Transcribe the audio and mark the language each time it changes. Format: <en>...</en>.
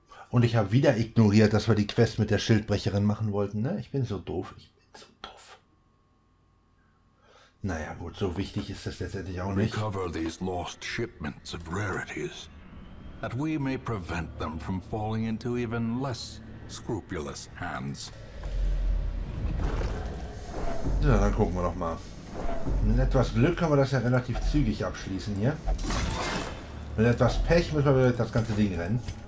<de>Und ich habe wieder ignoriert, dass wir die Quest mit der Schildbrecherin machen wollten. Ne? Ich bin so doof. Naja, gut, so wichtig ist das letztendlich auch nicht.</de> <en>Recover these lost shipments of rarities, that we may prevent them from falling into even less scrupulous hands.</en> <de>So, dann gucken wir noch mal. Mit etwas Glück können wir das ja relativ zügig abschließen hier. Mit etwas Pech müssen wir das ganze Ding rennen.</de>